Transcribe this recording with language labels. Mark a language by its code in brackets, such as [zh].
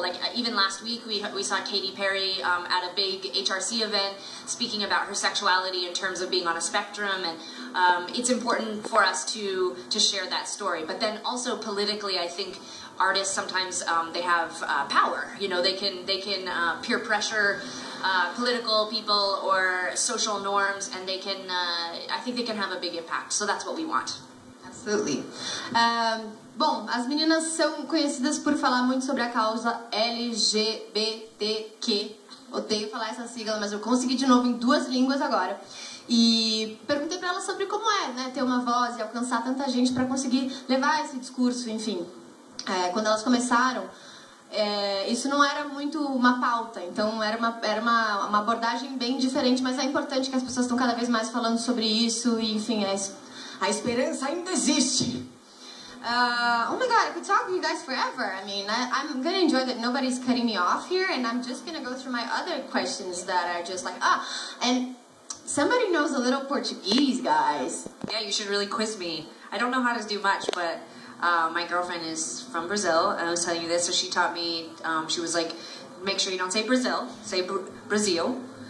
[en] Like, even last week we saw Katy Perry at a big HRC event speaking about her sexuality in terms of being on a spectrum, and it's important for us to share that story. But then also politically, I think artists sometimes they have power, you know, they can peer pressure political people or social norms, and they can I think they can have a big impact, so that's what we want. Absolutely. [pt] Bom, as meninas são conhecidas por falar muito sobre a causa LGBTQ. Odeio falar essa sigla, mas eu consegui de novo em duas línguas agora. E perguntei pra elas sobre como é, né, ter uma voz e alcançar tanta gente pra conseguir levar esse discurso, enfim. Quando elas começaram, isso não era muito uma pauta, então era uma abordagem bem diferente, mas é importante que as pessoas estão cada vez mais falando sobre isso, e, enfim, a esperança ainda existe. [en] Oh my god, I could talk with you guys forever. I mean, I'm gonna enjoy that nobody's cutting me off here, and I'm just gonna go through my other questions that are just like, ah, and somebody knows a little Portuguese, guys. Yeah, you should really quiz me. I don't know how to do much, but my girlfriend is from Brazil, and I was telling you this, so she taught me, she was like, make sure you don't say Brazil, say Brazil.